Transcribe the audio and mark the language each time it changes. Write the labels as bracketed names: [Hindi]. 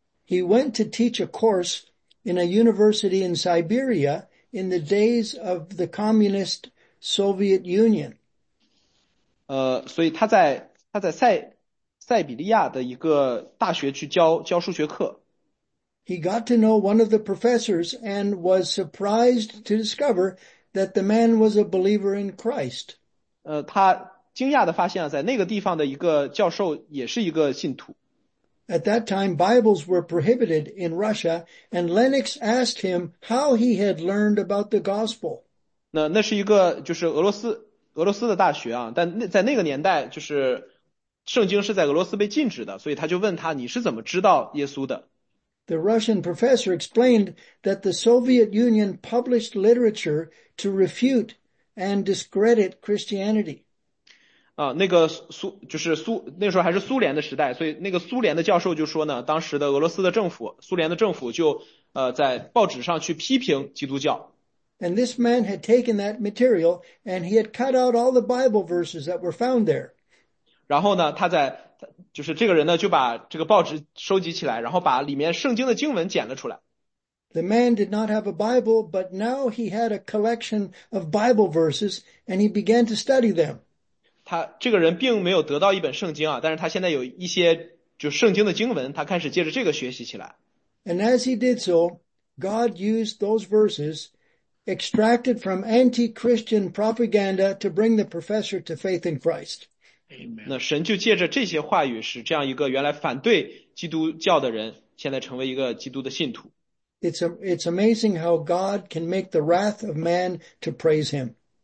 [English] He went to teach a course in a university in Siberia in the days of the communist Soviet Union. [Chinese] 所以他在塞比利亚的一个大学去教数学课。 [English] He got to know one of the professors and was surprised to discover that the man was a believer in Christ. [Chinese] 他惊讶地发现了在那个地方的一个教授也是一个信徒。 [English] At that time, Bibles were prohibited in Russia, and Lennox asked him how he had learned about the gospel. [Chinese] 那是一个就是俄罗斯的大学啊，但在那个年代就是圣经是在俄罗斯被禁止的，所以他就问他你是怎么知道耶稣的。 [English] The Russian professor explained that the Soviet Union published literature to refute and discredit Christianity. [Chinese] 那时候还是苏联的时代，所以那个苏联的教授就说呢，当时的俄罗斯的政府，苏联的政府就在报纸上去批评基督教。 [English] And this man had taken that material and he had cut out all the Bible verses that were found there. [Chinese] 然后呢，他在就是这个人呢，就把这个报纸收集起来，然后把里面圣经的经文剪了出来。 [English] The man did not have a Bible, but now he had a collection of Bible verses and he began to study them. [Chinese] 这个人并没有得到一本圣经啊, 但是他现在有一些就圣经的经文, 他开始借着这个学习起来。 [English] And as he did so, God used those verses extracted from anti-Christian propaganda to bring the professor to faith in Christ. Amen. [Chinese] 那神就借着这些话语使这样一个原来反对基督教的人现在成为一个基督的信徒。 [English] It's amazing how God can make the wrath of man to praise him.